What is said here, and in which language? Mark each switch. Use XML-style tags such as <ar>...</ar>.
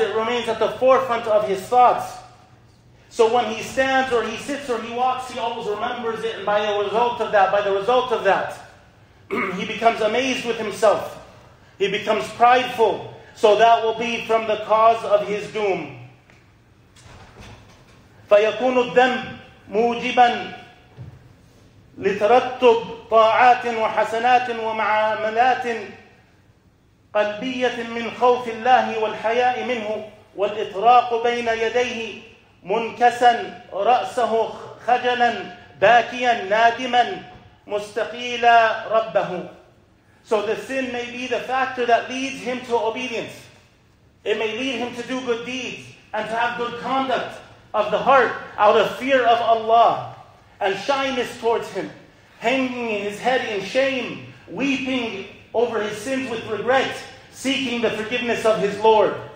<en>It remains at the forefront of his thoughts. So when he stands or he sits or he walks, he always remembers it. And by the result of that, he becomes amazed with himself. He becomes prideful. So that will be from the cause of his doom.</en> <ar>فَيَكُونُ الدَّمُ مُوجِبًا لترتب طاعات وحسنات ومعاملات قلبية من خوف الله والحياء منه والإطراق بين يديه منكسا رأسه خجلا باكيا نادما مستقيلا ربه.</ar> <en>So the sin may be the factor that leads him to obedience. It may lead him to do good deeds and to have good conduct of the heart out of fear of Allah and shyness towards him, hanging his head in shame, weeping over his sins with regret, seeking the forgiveness of his Lord.</en>